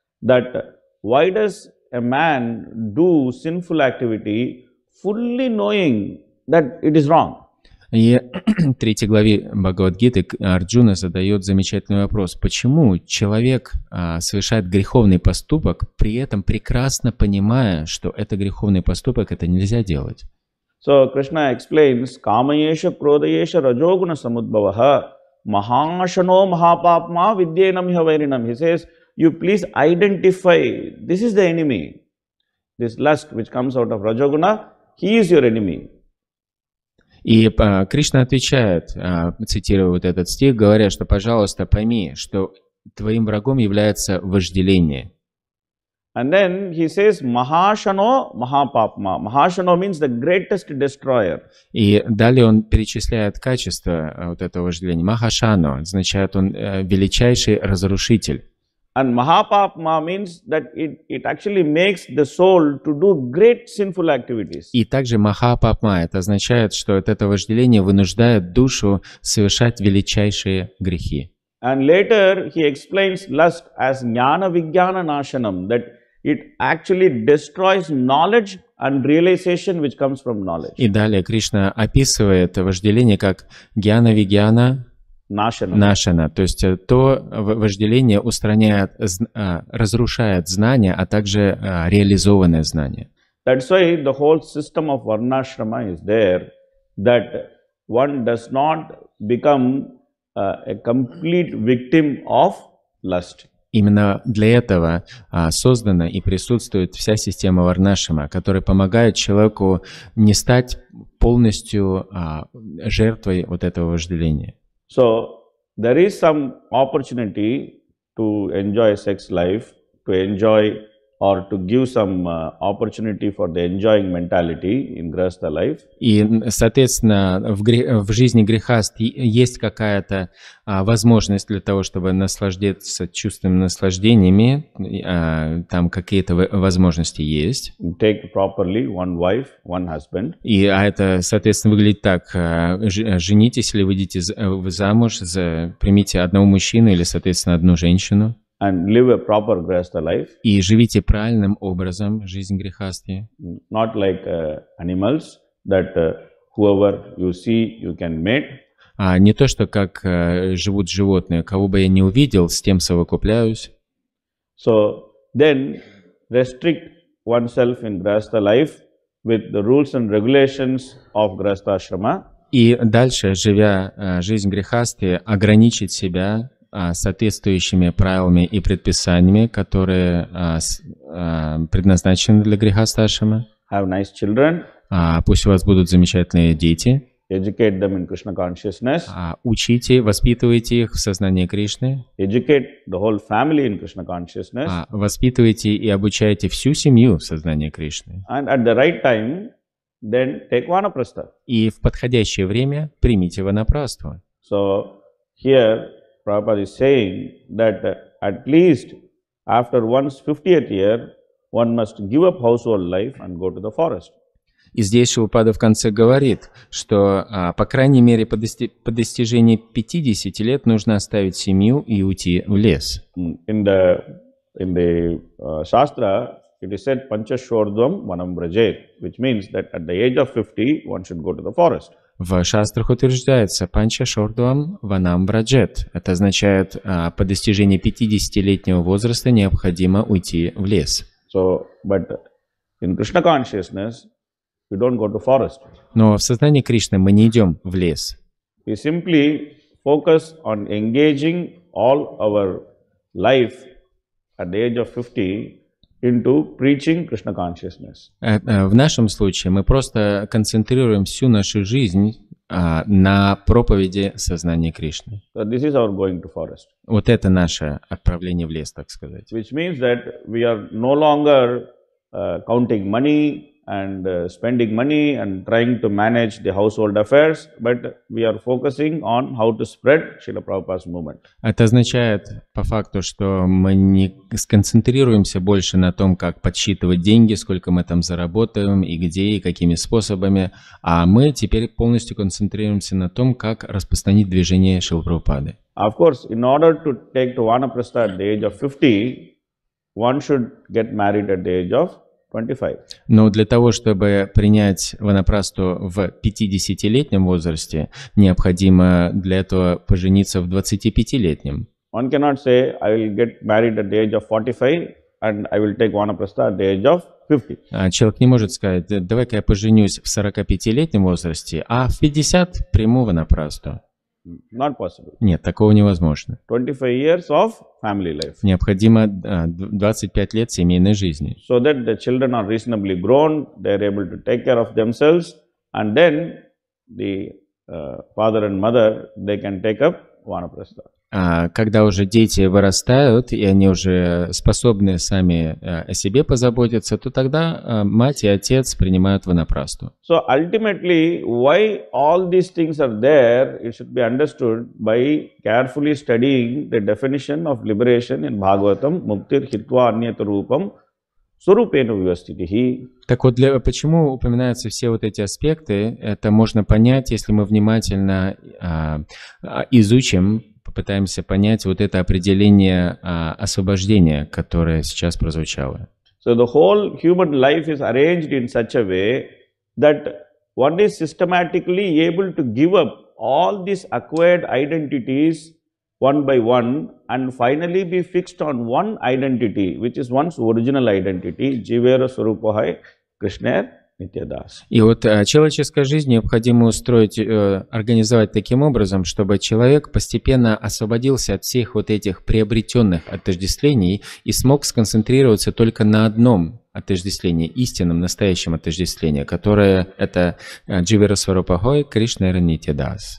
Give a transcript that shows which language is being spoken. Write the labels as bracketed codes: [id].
[en] That why does a man do sinful activity, fully knowing that it is wrong. [ru] И в третьей главе Бхагавад-гиты Арджуна задает замечательный вопрос. Почему человек совершает греховный поступок, при этом прекрасно понимая, что это греховный поступок, это нельзя делать? [en] So Krishna explains, [sa] Kamayesha Krodayesha Rajoguna Samudbhavaha Mahashano Mahapapma Vidyenam Yavairinam. [en] He says, you please identify, this is the enemy, this lust which comes out of Rajoguna, he is your enemy. [ru] И Кришна отвечает, цитируя вот этот стих, говоря, что, пожалуйста, пойми, что твоим врагом является вожделение. [en] And then he says, Mahashano Mahapapma. Mahashano means the greatest destroyer. [ru] И далее он перечисляет качество вот этого вожделения. Mahashano означает он величайший разрушитель. [en] And Mahapapma means that it actually makes the soul to do great sinful activities. [ru] И также Mahapapma, это означает, что это вожделение вынуждает душу совершать величайшие грехи. [en] And later he explains lust as [sa] jnana vijnana nashanam, [en] that it actually destroys knowledge and realization which comes from knowledge. [ru] И далее Кришна описывает вожделение как [sa] jnana vijnana [ru] Нашана. То есть то вожделение устраняет, разрушает знания, а также реализованное знание. [en] That's why the whole system of Varnashrama is there, that one does not become a complete victim of lust. [ru] Именно для этого создана и присутствует вся система Варнашрама, которая помогает человеку не стать полностью жертвой вот этого вожделения. [en] So there is some opportunity to enjoy sex life, to enjoy or to give some opportunity for the enjoying mentality in grihastha life. [ru] И, соответственно, в жизни грехаст есть какая-то возможность для того, чтобы наслаждаться чувственными наслаждениями. Там какие-то возможности есть. [en] Take properly one wife, one husband. [ru] И это, соответственно, выглядит так. Женитесь или выйдите замуж, примите одного мужчину или, соответственно, одну женщину. [en] And live a proper grihastha life. [ru] И живите правильным образом жизнь грехасты. [en] Not like animals, that whoever you see, you can mate. [ru] А не то, что как живут животные, кого бы я не увидел, с тем совокупляюсь. [en] So then restrict oneself in grihastha life with the rules and regulations of grihastha-ashrama. [ru] И дальше, живя жизнь грехасты, ограничить себя соответствующими правилами и предписаниями, которые предназначены для грихастхи-ашрама. [en] Have nice children. [ru] Пусть у вас будут замечательные дети. [en] Educate them in Krishna consciousness. [ru] Учите, воспитывайте их в сознании Кришны. [en] Educate the whole family in Krishna consciousness. [ru] Воспитывайте и обучайте всю семью в сознании Кришны. [en] And at the right time, then take vanaprastha. [ru] И в подходящее время примите ванапрасту. [en] So here Prabhupada is saying that at least after one's 50th year, one must give up household life and go to the forest. [ru] И здесь Шилпада в конце говорит, что по крайней мере по достижении 50 лет нужно оставить семью и уйти в лес. [en] In the Shastra, it is said [sa] panchashordvam vanam brajet, [en] which means that at the age of 50, one should go to the forest. [ru] В Шастрах утверждается [sa] панчашордвам ванам браджет. [ru] Это означает, по достижении 50-летнего возраста необходимо уйти в лес. [en] So, but in Krishna consciousness, we don't go to forest. [ru] Но в сознании Кришны мы не идем в лес. [en] We simply focus on engaging all our life at the age of 50 into preaching Krishna consciousness. [ru] В нашем случае мы просто концентрируем всю нашу жизнь на проповеди сознания Кришны. [en] So this is our going to forest. [ru] Вот это наше отправление в лес, так сказать. [en] Which means that we are no longer counting money and spending money and trying to manage the household affairs, but we are focusing on how to spread Srila Prabhupada's movement. [ru] Это означает по факту, что мы не сконцентрируемся больше на том, как подсчитывать деньги, сколько мы там заработаем и где, и какими способами, а мы теперь полностью концентрируемся на том, как распространить движение Шрилы Прабхупады. [en] Of course, in order to take to vanaprastha at the age of 50, one should get married at the age of 25. [ru] Но для того, чтобы принять ванапрасту в 50-летнем возрасте, необходимо для этого пожениться в 25-летнем. [en] One cannot say, I will get married at the age of 45 and I will take vanaprastha at the age of 50. [ru] Человек не может сказать, давай-ка я поженюсь в 45-летнем возрасте, а в 50 приму ванапрасту. [en] Not possible. [ru] Нет, такого невозможно. [en] 25 years of family life. [ru] Необходимо 25 лет семейной жизни. [en] So that the children are reasonably grown, they are able to take care of themselves, and then the father and mother, they can take up vanaprastha. [ru] Когда уже дети вырастают, и они уже способны сами о себе позаботиться, то тогда мать и отец принимают ванапрасту. [en] So ultimately, why all these things are there, it should be understood by carefully studying the definition of liberation in Bhagavatam, [sa] Muktir Hitva Anyata Rupam, Surupenu Vivastitihi. [ru] Так вот, почему упоминаются все вот эти аспекты, это можно понять, если мы внимательно изучим, попытаемся понять вот это определение освобождения, которое сейчас прозвучало. [en] So the whole human life is arranged in such a way that one is systematically able to give up all these acquired identities one by one and finally be fixed on one identity, which is one's original identity, [sa] Jivera Swarupahai Krishna. [ru] И вот человеческая жизнь необходимо организовать таким образом, чтобы человек постепенно освободился от всех вот этих приобретенных отождествлений и смог сконцентрироваться только на одном отождествлении, истинном, настоящем отождествлении, которое это [sa] Дживера Сварупахой Кришна Ранитидас.